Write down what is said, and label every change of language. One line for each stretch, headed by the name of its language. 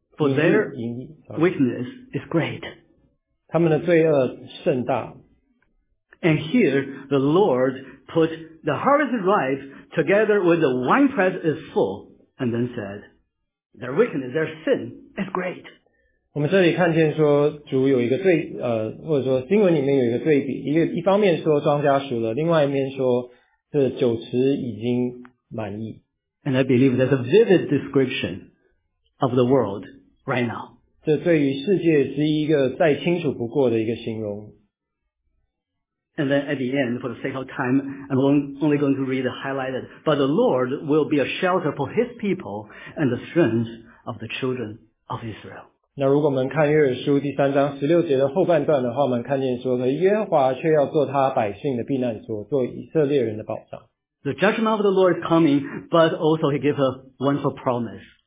English: For their weakness is great.
Chinese: 他们的罪恶甚大。
English: And here, the Lord put the harvest ripe together with the wine press is full, and then said, their weakness, their sin is great.
Chinese: 我们这里看见说主有一个对或者说经文里面有一个对比，一方面说庄稼熟了，另外一面说这酒池已经满溢。
English: And I believe that's a vivid description. Of the world right now.
Chinese: 这对于世界是一个再清楚不过的一个形容。
English: And then at the end, for the sake of time, I'm only going to read the highlighted, but the Lord will be a shelter for his people and the strength of the children of Israel.
Chinese: 那如果我们看约珥书第三章十六节的后半段的话，我们看见说耶和华却要做他百姓的避难所，做以色列人的保障。
English: The judgment of the Lord is coming, but also He gives a wonderful promise.